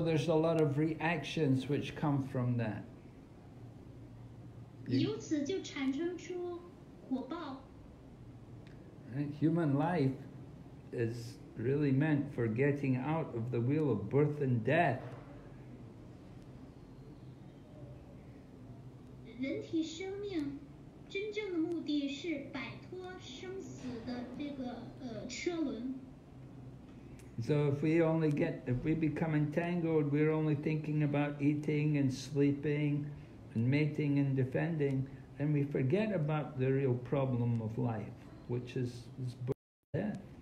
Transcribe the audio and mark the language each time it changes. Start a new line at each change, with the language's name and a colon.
English: there's a lot of reactions which come from that.
Chinese: 由此就产生出果报。
English: Human life is really meant for getting out of the wheel of birth and death.
Chinese: 人体生命真正的目的是摆脱生死的这个车轮。
English: So if we become entangled, we're only thinking about eating and sleeping and mating and defending, then we forget about the real problem of life, which is birth and death.